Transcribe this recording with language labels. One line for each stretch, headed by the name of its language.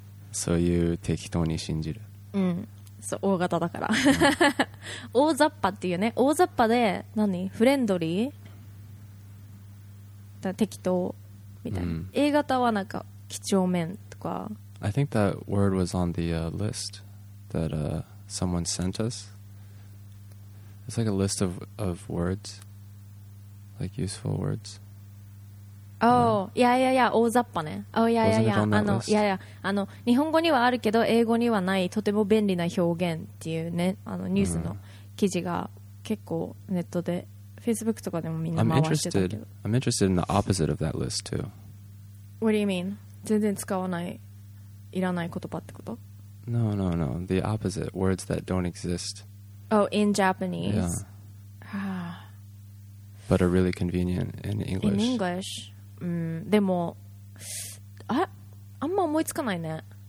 Japanese: そういう適当に信じる。うん、そう O 型だから、うん、大雑把っていうね、大雑把で何フレンドリーだ、適当みたいな、うん、A 型はなんか几帳面とか。
English: I think that word was on the list that someone sent us. It's like a list of words, like useful words. Oh, yeah, yeah, yeah, 大雑把ね。Oh, yeah, yeah, yeah.
Japanese: あの、いやいや、あの、日本語にはあるけど、英語にはない、とても便利な表現っていうね、あの、ニュースの記事が結構ネットで、Facebook とかでもみんな回してたけど。
English: I'm interested in the opposite of that list, too. What do you mean?
Japanese: 全然使わない、いらない言葉ってこと？
English: No, no, no. The opposite. Words that don't exist. Oh, in Japanese. Yeah. But are really convenient in English. In English?
Japanese: うん、でも あんま思いつかないね。